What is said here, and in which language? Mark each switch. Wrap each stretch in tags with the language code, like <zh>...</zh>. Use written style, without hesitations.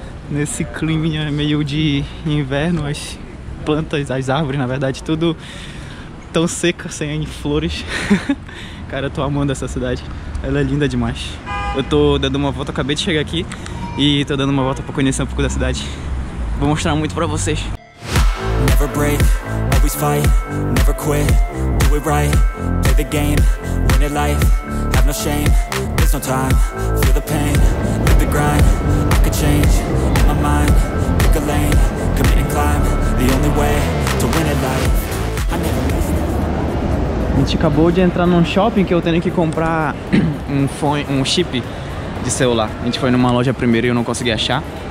<pt>Nesse clima meio de inverno, as plantas, as árvores, na verdade, tudo tão seca, sem flores. Cara, eu tô amando essa cidade. Ela é linda demais. Eu tô dando uma volta, acabei de chegar aqui e tô dando uma volta pra conhecer um pouco da cidade. Vou mostrar muito pra vocês.</pt> <en>Never break. Always fight, never quit, do it right, play the game, win it life, have no shame, there's no time, feel the pain, live the grind, I could change, in my mind, pick a lane, commit and climb, the only way, to win it life, I never miss.</en> <pt>A gente acabou de entrar num shopping que eu tenho que comprar um chip de celular. A gente foi numa loja primeiro e eu não consegui achar.</pt>